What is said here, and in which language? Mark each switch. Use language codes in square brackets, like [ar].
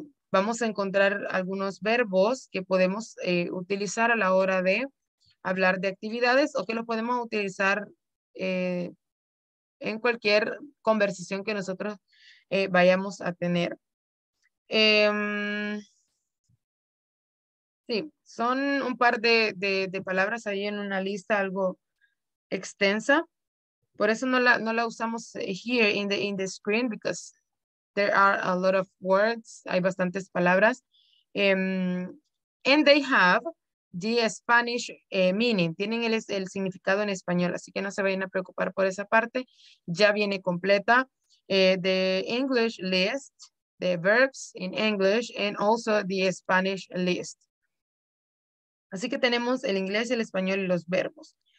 [es] Vamos a encontrar algunos verbos que podemos utilizar a la hora de hablar de actividades o que lo podemos utilizar en cualquier conversación que nosotros vayamos a tener. Sí, son un par de palabras ahí en una lista algo extensa. Por eso no la usamos [en] here in the screen, because there are a lot of words. [es] Hay bastantes palabras. [en] And they have the Spanish meaning. [es] Tienen el significado en español. Así que no se vayan a preocupar por esa parte. Ya viene completa. [en] The English list, the verbs in English, and also the Spanish list. [es] Así que tenemos el inglés, el español y los verbos.